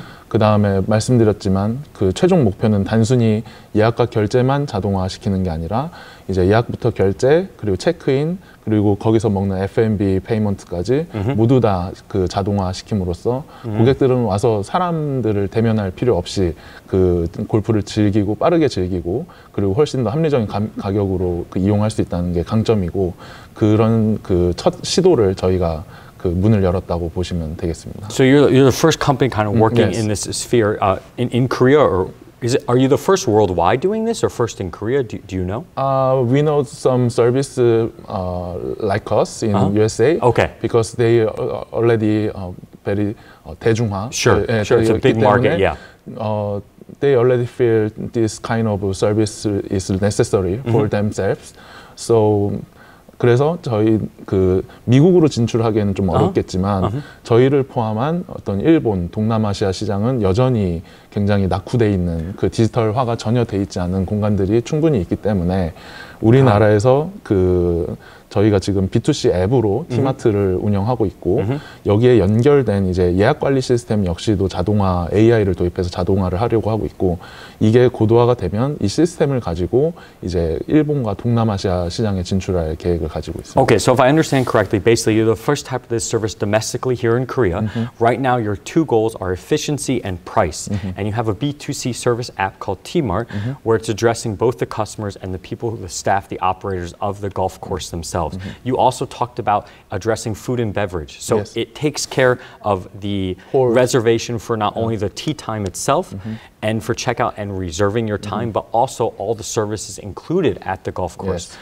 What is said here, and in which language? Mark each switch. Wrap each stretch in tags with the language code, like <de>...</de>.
<ko>그 다음에 말씀드렸지만 그 최종 목표는 단순히 예약과 결제만 자동화시키는 게 아니라 이제 예약부터 결제 그리고 체크인 그리고 거기서 먹는 F&B 페이먼트까지 모두 다 그 자동화시킴으로써 고객들은 와서 사람들을 대면할 필요 없이 그 골프를 즐기고 빠르게 즐기고 그리고 훨씬 더 합리적인 가격으로 그 이용할 수 있다는 게 강점이고 그런 그 첫 시도를 저희가 문을 열었다고 보시면 되겠습니다.</ko> <en>So you're the first company kind of working in this sphere in Korea, or are you the first worldwide doing this, or first in Korea? Do you know? We know some service like us in USA. Okay. Because they already very 대중화. Sure. Sure. It's a big market. Yeah. They already feel this kind of service is necessary for themselves. So.</en> <ko>그래서 저희 그 미국으로 진출하기에는 좀 어렵겠지만 저희를 포함한 어떤 일본, 동남아시아 시장은 여전히 굉장히 낙후돼 있는 그 디지털화가 전혀 돼 있지 않은 공간들이 충분히 있기 때문에 우리나라에서 그 저희가 지금 B2C 앱으로 티마트를 운영하고 있고 여기에 연결된 이제 예약 관리 시스템 역시도 자동화 AI를 도입해서 자동화를 하려고 하고 있고 이게 고도화가 되면 이 시스템을 가지고 이제 일본과 동남아시아 시장에 진출할 계획을 가지고 있습니다.</ko> <en>Okay, so if I understand correctly, basically you're the first type of this service domestically here in Korea. Right now your two goals are efficiency and price. And you have a B2C service app called T-Mart where it's addressing both the customers and the people, the staff, the operators of the golf course themselves. You also talked about addressing food and beverage. So it takes care of the reservation for not only the tea time itself and for checkout and reserving your time, but also all the services included at the golf course.</en>